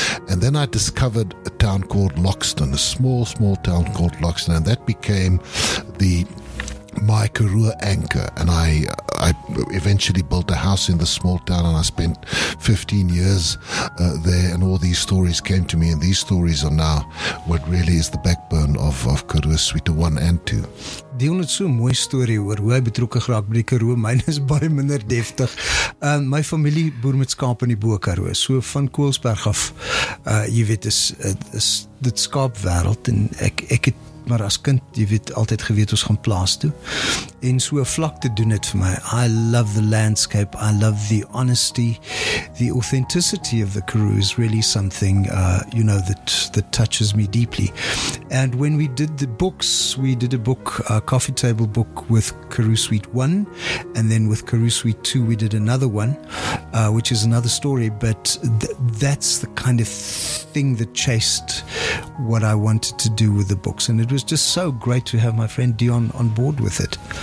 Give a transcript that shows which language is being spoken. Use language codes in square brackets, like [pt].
[en] And then I discovered a town called Loxton, a small town called Loxton, and that became the my Karoo anchor. And I eventually built a house in the small town, and I spent 15 years there, and all these stories came to me, and these stories are now what really is the backbone of Karoo Suite 1 and 2. [af] Dion het so'n mooi story oor hoe hy betrokke geraak by die Karoo. Myn is baie minder deftig. My familie boer met skaap in die Bo Karoo. So van Koelsberg af, jy weet, is dit skaap wereld, en ek het maar as kind, jy weet, altyd geweet ons gaan plaas toe, en so vlak te doen het vir my. [en] I love the landscape, I love the honesty, the authenticity of the Karoo is really something, you know, that touches me deeply. And when we did the books, we did a book, a coffee table book with Karoo Suite 1, and then with Karoo Suite 2 we did another one, which is another story, but that's the kind of thing that chased what I wanted to do with the books, and it was just so great to have my friend Dion on board with it.